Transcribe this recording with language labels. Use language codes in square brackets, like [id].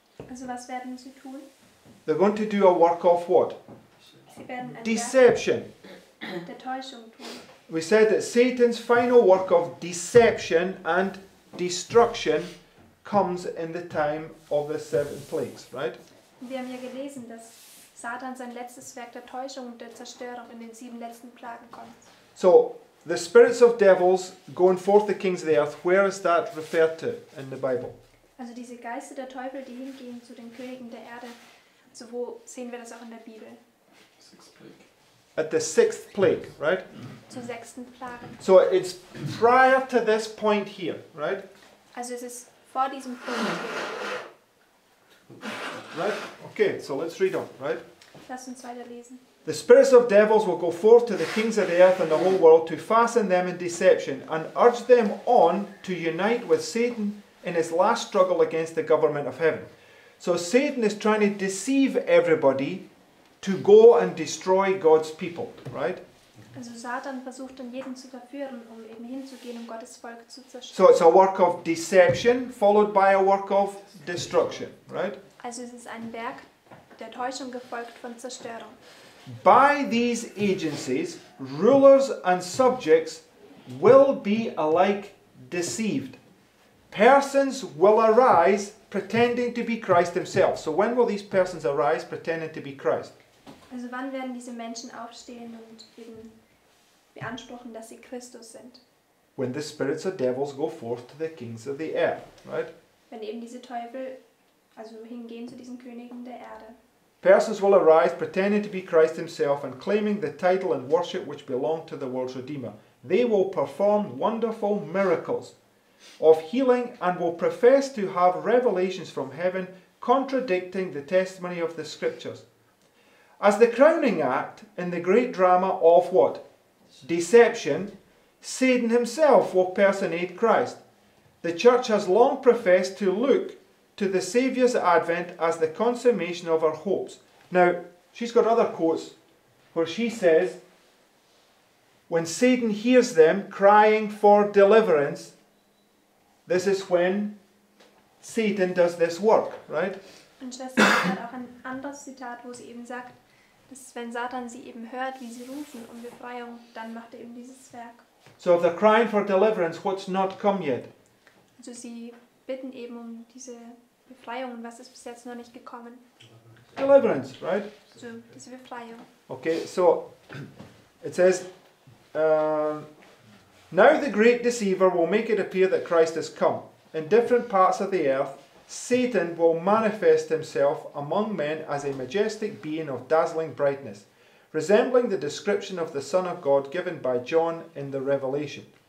[de] Also was werden sie tun? [en] They're going to do a work of what? Deception. [de] Der Täuschung tun. [en] We said that Satan's final work of deception and destruction comes in the time of the seven plagues, right? [de] Wir haben ja gelesen, dass Satan sein letztes Werk der Täuschung und der Zerstörung in den sieben letzten Plagen kommt. [en] So, the spirits of devils going forth the kings of the earth, where is that referred to in the Bible? [de] Also diese Geister der Teufel, die hingehen zu den Königen der Erde, so wo sehen wir das auch in der Bibel? [en] At the sixth plague, right? [de] Zur sechsten Plage. [en] So it's prior to this point here, right? [de] Also es ist vor diesem Punkt hier. [en] Right? Okay, so let's read on, right? [de] Lass uns weiterlesen. [en] The spirits of devils will go forth to the kings of the earth and the whole world to fasten them in deception and urge them on to unite with Satan in his last struggle against the government of heaven. So Satan is trying to deceive everybody to go and destroy God's people, right? [de] Also Satan versucht dann jeden zu verführen, um eben hinzugehen, um Gottes Volk zu zerstören. [en] So it's a work of deception followed by a work of destruction, right? [de] Also es ist ein Werk der Täuschung gefolgt von Zerstörung. [en] By these agencies, rulers and subjects will be alike deceived. Persons will arise pretending to be Christ himself. So when will these persons arise pretending to be Christ? [de] Also wann werden diese Menschen aufstehen und eben beanspruchen, dass sie Christus sind? [en] When the spirits of devils go forth to the kings of the earth, right? [de] Wenn eben diese Teufel, also hingehen zu diesen Königen der Erde. [en] Persons will arise pretending to be Christ himself and claiming the title and worship which belong to the world's Redeemer. They will perform wonderful miracles of healing and will profess to have revelations from heaven contradicting the testimony of the scriptures. As the crowning act in the great drama of what? Deception, Satan himself will personate Christ. The church has long professed to look to the Saviour's advent as the consummation of our hopes. Now, she's got other quotes where she says, when Satan hears them crying for deliverance, this is when Satan does this work, right? [de] Und Schwester hat auch ein anderes Zitat, wo sie eben sagt, dass wenn Satan sie eben hört, wie sie rufen um Befreiung, dann macht er eben dieses Werk. [en] So if they're crying for deliverance, what's not come yet? [de] Also sie bitten eben um diese Befreiung, und was ist bis jetzt noch nicht gekommen? [en] Deliverance, right? [de] So diese Befreiung. [en] Okay, so it says, now the great deceiver will make it appear that Christ has come. In different parts of the earth, Satan will manifest himself among men as a majestic being of dazzling brightness, resembling the description of the Son of God given by John in the Revelation.